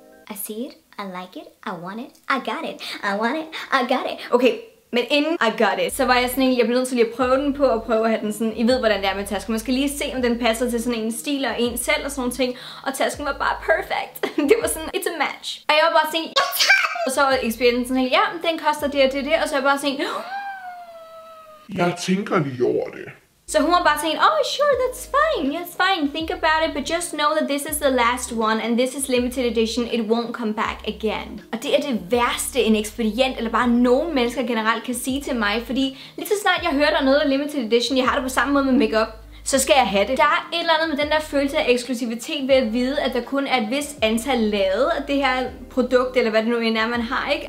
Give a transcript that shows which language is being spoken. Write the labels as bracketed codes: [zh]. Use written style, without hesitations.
[en] I see it, I like it, I want it, I got it, I want it, I got it. [da] Okay, men inden I got it, så var jeg sådan en, jeg blev nødt til lige at prøve den på og prøve at have den sådan, I ved hvordan det er med tasken, man skal lige se om den passer til sådan en stil og en selv og sådan ting, og tasken var bare perfect, det var sådan, [en] it's a match. [da] Og jeg var bare sådan, [en] yes! [da] Og så var experience sådan, ja, den koster det og det og det, og så var jeg bare sådan, jeg tænker lige over det. Så hun har bare tænkt, [en] oh sure, that's fine, yeah, it's fine, think about it, but just know that this is the last one, and this is limited edition, it won't come back again. [da] Og det er det værste, en ekspedient, eller bare nogen mennesker generelt kan sige til mig, fordi lige så snart jeg hører, der er noget af limited edition, jeg har det på samme måde med makeup, så skal jeg have det. Der er et eller andet med den der følelse af eksklusivitet ved at vide, at der kun er et vist antal lavet af det her produkt, eller hvad det nu end er, man har, ikke?